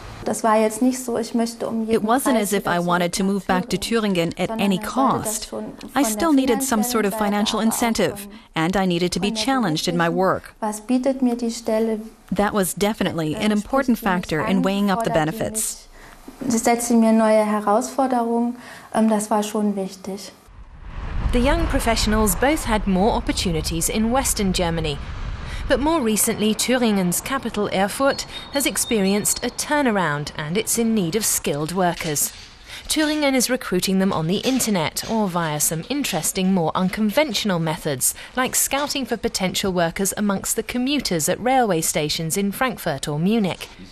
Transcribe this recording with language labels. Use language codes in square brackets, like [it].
[en] It wasn't as if I wanted to move back to Thüringen at any cost. I still needed some sort of financial incentive, and I needed to be challenged in my work. That was definitely an important factor in weighing up the benefits. [de] Sie setzte mir neue Herausforderungen, das war schon wichtig. [en] The young professionals both had more opportunities in Western Germany. But more recently, Thüringen's capital, Erfurt, has experienced a turnaround and it's in need of skilled workers. Thüringen is recruiting them on the internet or via some interesting, more unconventional methods, like scouting for potential workers amongst the commuters at railway stations in Frankfurt or Munich.